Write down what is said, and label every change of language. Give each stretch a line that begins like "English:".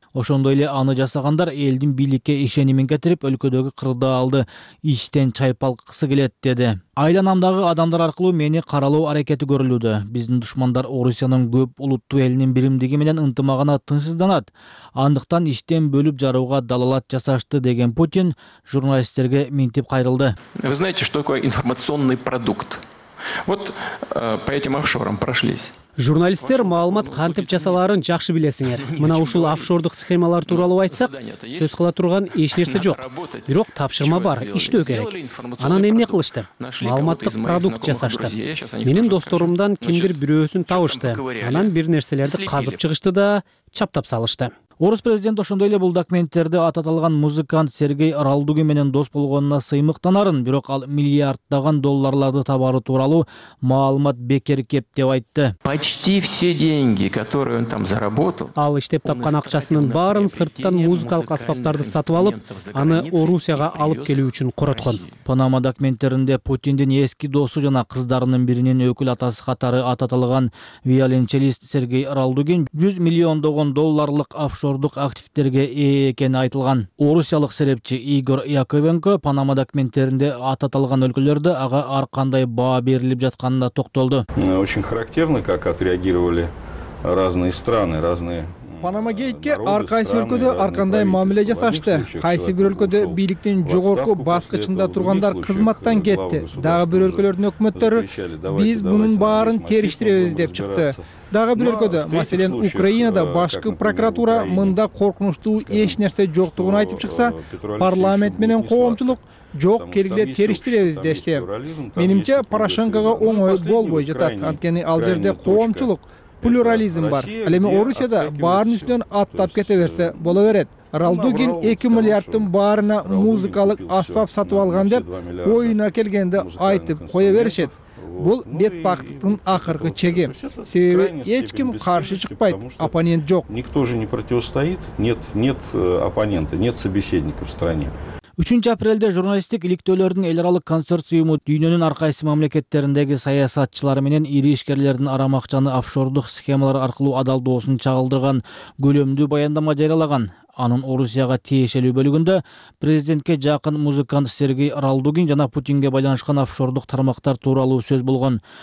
Kyrgyz: Ошондой эле аны жасагандар элдин бийликке ишенимин кетирип, өлкөдөгү кырдаалды иштен чайпалкысы келет деди. Айланамдагы адамдар аркылуу мени каралоо аракети көрүлүүдө. Биздин душмандар Орусиянын көп улуттуу элинин биримдиги менен ынтымагына тынчсызданат. Андыктан иштен бөлүп жарууга далалат жасашты деген Путин журналисттерге минтип кайрылды.
Russian: Вы знаете, что такое информационный продукт? Вот по этим офшорам прошлись.
Kyrgyz: Журналисттер маалымат кантип жасаларын жакшы билесиңер. Мына ушул офшордук схемалар тууралуу айтсак, сөз кыла турган эч нерсе жок. Бирок тапшырма бар, иштөө керек. Анан эмне кылышты? Маалыматтык продукт жасашты. Менин досторумдан кимдир бирөөсүн табышты. Анан бир нерселерди казып чыгышты да чаптап салышты. Орус президент ошондой эле бул документтерди аталган музыкант Сергей Ралдугин менен дос болгонуна сыймыктанарын, бирок ал миллиарддаган долларларды табары тууралуу маалымат бекер кеп деп айтты.
Russian: Почти все деньги, которые он там заработал.
Kyrgyz: Ал иштеп тапкан акчасынын баарын сырттан музыкалык аспаптарды сатып алып, аны Орусияга алып келүү үчүн короткон. Панама документтеринде Путиндин эски досу жана кыздарынын биринин өкүл атасы катары аталган виолончелист Сергей Ралдугин 100 миллиондогон долларлык офшордук активтерге ээ экени айтылган. Орусиялык серепчи Игорь Яковенко Панама документтеринде аталган өлкөлөрдө ага ар кандай баа берилип жатканына токтолду.
Russian: Очень характерно, как отреагировали разные страны, разные
Kyrgyz: Панама гейтке ар кайсы өлкөдө ар кандай мамиле жасашты. Кайсы бир өлкөдө бийликтин жогорку баскычында тургандар кызматтан кетти. Дагы бир өлкөлөрдүн өкмөттөрү биз мунун баарын териштиребиз деп чыкты. Дагы бир өлкөдө, маселен, Украинада башкы прокуратура мында коркунучтуу эч нерсе жоктугун айтып чыкса, парламент менен коомчулук жок, кергиле териштиребиз дешти. Менимче Порошенкого оңой болбой жатат, анткени ал жерде коомчулук плюрализм бар. Ал эми Орусияда баарын үстүнөн аттап кете берсе боло берет. Ралдугин 2 миллиарддын баарына музыкалык аспап сатып алган деп оюна келгенде айтып кое беришет. Бул бетбактыктын акыркы чеги. Себеби эч ким каршы чыкпайт, оппонент жок.
Russian: Никто же не противостоит, нет оппонента, нет собеседника в стране.
Kyrgyz: 3 апрелде журналисттик иликтөөлөрдүн эл аралык консорциуму дүйнөнүн ар кайсы мамлекеттериндеги саясатчылары менен ири ишкерлердин арамакчаны офшордук схемалар аркылуу адалдоосун чагылдырган көлөмдүү баяндама жарыялаган. Анын Орусияга тиешелүү бөлүгүндө президентке жакын музыкант Сергей Ралдугин жана Путинге байланышкан офшордук тармактар тууралуу сөз болгон.